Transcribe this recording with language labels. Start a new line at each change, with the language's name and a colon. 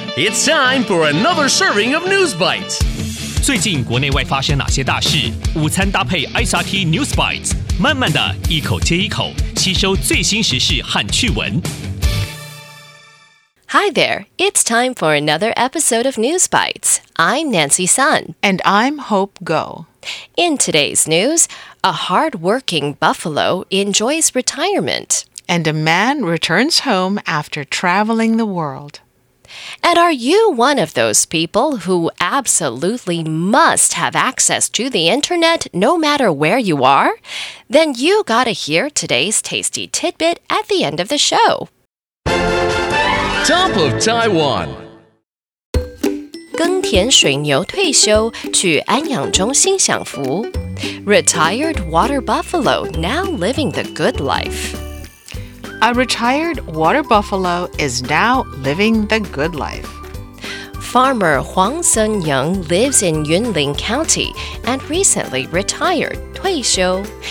English: It's time for another serving of News Bites.
Chinese: 最近国内外发生哪些大事？午餐搭配 SRT News Bites， 慢慢的一口接一口，吸收最新时事和趣闻。
English: Hi there, it's time for another episode of News Bites. I'm Nancy Sun. And I'm Hope Ngo. In today's news, a hardworking buffalo enjoys retirement. And a man returns home after traveling the world. And are you one of those people who absolutely must have access to the internet no matter where you are? Then you gotta hear today's tasty tidbit at the end of the show. Top of Taiwan.
Chinese: 耕田水牛退休，去安養中心享福。
English: Retired water buffalo now living the good life. A retired water buffalo is now living the good life. Farmer Huang Sung-yung lives in Yunlin County and recently retired, 退休.